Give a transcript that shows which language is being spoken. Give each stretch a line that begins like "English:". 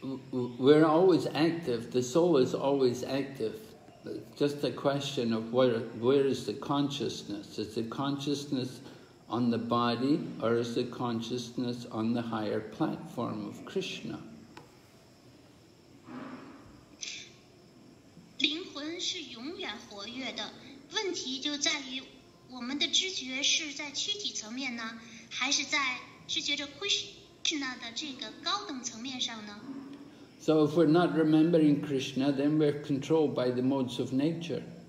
English: We're always active, the soul is always active. Just a question of where is the consciousness? Is the consciousness on the body or is the consciousness on the higher platform of Krishna?
Chinese: 灵魂是永远活跃的，问题就在于我们的知觉是在躯体层面呢，还是在知觉着Krishna的这个高等层面上呢？
English: So if we're not remembering Krishna, then we're controlled by the modes of nature.